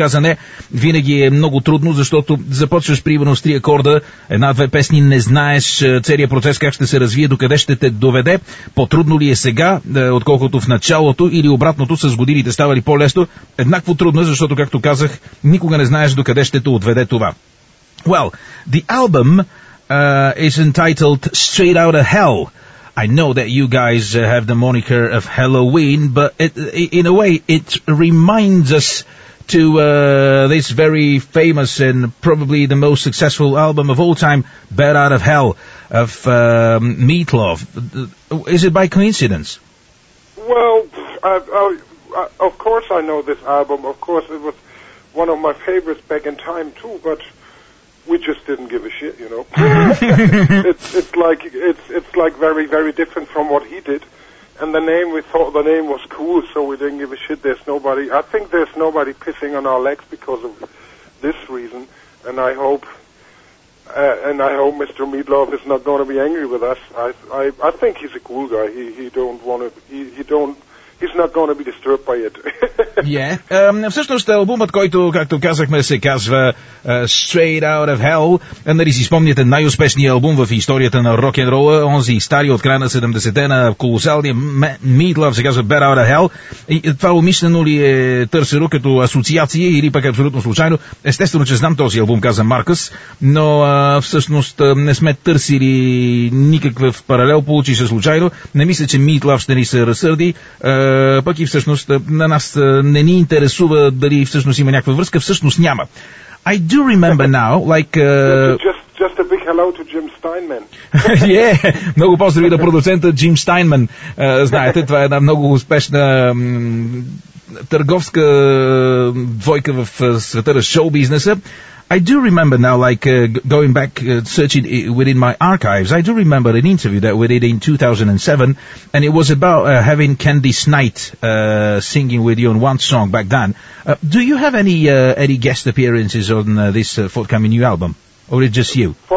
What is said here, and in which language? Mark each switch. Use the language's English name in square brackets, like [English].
[Bulgarian] Той каза, не, винаги е много трудно, защото започваш примерно с три акорда, една-две песни, не знаеш целият процес как ще се развие, докъде ще те доведе. По-трудно ли е сега, отколкото в началото, или обратното, с годините става ли по-лесно? Еднакво трудно, защото, както казах, никога не знаеш докъде ще те отведе това. [English] Well, the album is entitled Straight Outta Hell. I know that you guys have the moniker of Halloween, but in a way it reminds us to this very famous and probably the most successful album of all time, Bat Out of Hell, of Meatloaf. Is it by coincidence? Well, I, of course I know this album. Of course it was one of my favorites back in time too, but we just didn't give a shit, you know. it's like very, very different from what he did. And the name, we thought the name was cool, so we didn't give a shit. I think there's nobody pissing on our legs because of this reason. And I hope and I hope Mr. Meatloaf is not going to be angry with us. I think he's a cool guy. He's not going to be disturbed by it. Yeah. [Bulgarian] Всъщност албумът, който, както казахме, се казва Straight Out of Hell. Нали си спомняте най-успешният албум в историята на рок-н-рола, онзи стари от края на 70-те, на колосалния Meatloaf, се казва Bat Out of Hell. И това умишлено ли е търсено като асоциация или пък абсолютно случайно? Естествено, че знам този албум, каза Маркус, но всъщност не сме търсили никакъв паралел, получи се случайно. Не мисля, че Meatloaf ще ни се разсърди, пък и всъщност на нас не ни интересува дали всъщност има някаква връзка. Всъщност няма. [English] I do remember now, like... Just a big hello to Jim Steinman. [Bulgarian] Yeah, много поздрави на продуцента Jim Steinman. Знаете, това е една много успешна търговска двойка в света на шоу-бизнеса. [English] I do remember now, like, going back, searching within my archives, I do remember an interview that we did in 2007, and it was about having Candice Knight singing with you on one song back then. Do you have any guest appearances on this forthcoming new album, or is it just you?